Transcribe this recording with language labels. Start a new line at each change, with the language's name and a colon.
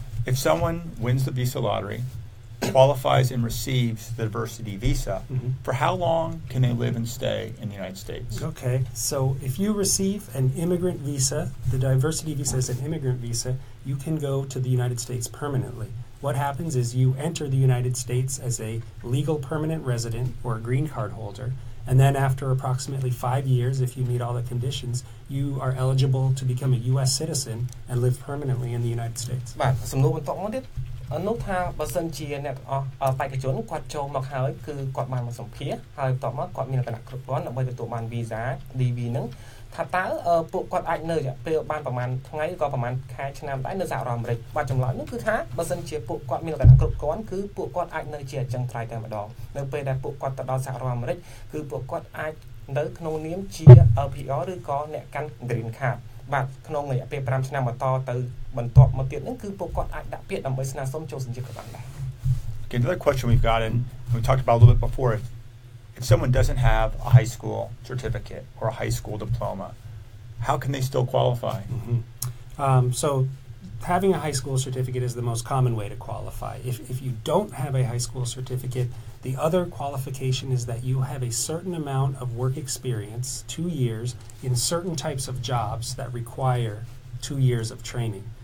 English: If someone wins the visa lottery qualifies and receives the diversity visa for how long can they live and stay in the United States Okay so if you receive an immigrant visa the diversity visa is an immigrant visa you can go to the United States permanently What happens is you enter the United States as a legal permanent resident or a green card holder and then after approximately 5 years if you meet all the conditions you are eligible to become a US citizen and live permanently in the United States
Khmer: បាទសំណួរបន្តមកទៀតអនុថាបើសិនជាអ្នកអស់បេក្ខជនគាត់ចូលមកហើយគឺគាត់បានមកសម្ភាសហើយបន្តមកគាត់មានលក្ខណៈគ្រប់គ្រាន់ដើម្បីទទួលបានវីសា DV នឹង ថាតើពួកគាត់អាចនៅរយៈពេលបានប្រហែលថ្ងៃឬក៏ប្រហែលខែឆ្នាំដែរនៅសហរដ្ឋអាមេរិកបាទចម្លើយនោះគឺថាបើសិនជាពួកគាត់មានលក្ខណៈគ្រប់គ្រាន់គឺពួកគាត់អាចនៅជាអញ្ចឹងត្រៃតែម្ដងនៅពេលដែលពួកគាត់ទៅដល់សហរដ្ឋអាមេរិកគឺពួកគាត់អាចនៅក្នុងនាមជា LPR ឬក៏អ្នកកាន់ Green Card បាទក្នុងរយៈពេល5ឆ្នាំបន្តទៅបន្ទាប់មកទៀតនោះគឺពួកគាត់អាចដាក់ពាក្យដើម្បីស្នើសុំចូលសញ្ជាតិក៏បានដែរ
English: Okay, another question we've gotten we talked about a little bit before If someone doesn't have a high school certificate or a high school diploma, how can they still qualify? So having a high school certificate is the most common way to qualify. If you don't have a high school certificate, the other qualification is that you have a certain amount of work experience, 2 years, in certain types of jobs that require 2 years of training.